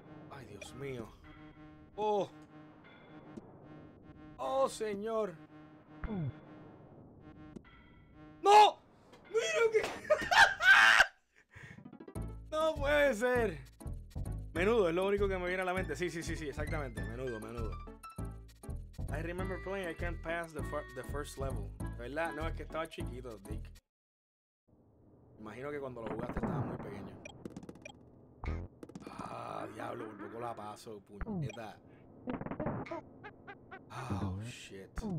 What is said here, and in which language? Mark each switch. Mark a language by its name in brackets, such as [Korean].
[Spanish] Ay, Dios mío. Oh, señor. ¡No! ¡Mira que! ¡No puede ser! Menudo, es lo único que me viene a la mente. Sí, exactamente. Menudo. [English] I remember playing, I can't pass the first level. [Spanish] ¿Verdad? No, es que estaba chiquito, Dick. Imagino que cuando lo jugaste estaba muy pequeño. Ah, diablo, por poco la paso, puñeta. [English] Oh, shit.